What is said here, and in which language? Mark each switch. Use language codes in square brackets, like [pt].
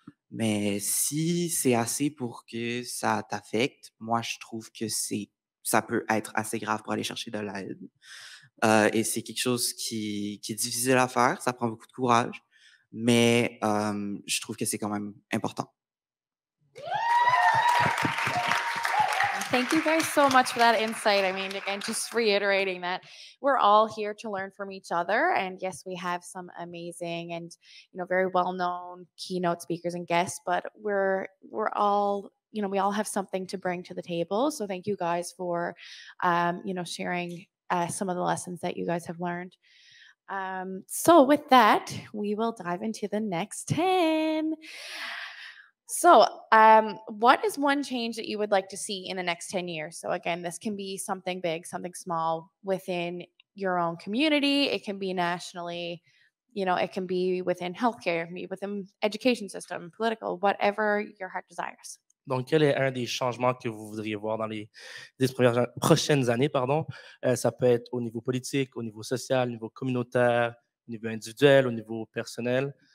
[fr] Mais si c'est assez pour que ça t'affecte, moi, je trouve que ça peut être assez grave pour aller chercher de l'aide. Et c'est quelque chose qui est difficile à faire, ça prend beaucoup de courage, mais je trouve que c'est quand même important. [en] Thank you guys so much for that insight. I mean, again, just reiterating that we're all here to learn from each other. And yes, we have some amazing and, you know, very well-known keynote speakers and guests, but we're all... You know, we all have something to bring to the table. So thank you guys for, you know, sharing some of the lessons that you guys have learned. So with that, we will dive into the next 10. So what is one change that you would like to see in the next 10 years? So again, this can be something big, something small within your own community. It can be nationally, you know, it can be within healthcare, maybe within education system, political, whatever your heart desires. [fr] Donc, quel est un des changements que vous voudriez voir dans les 10 prochaines années, pardon? Ça peut être au niveau politique, au niveau social, au niveau communautaire, au niveau individuel, au niveau personnel.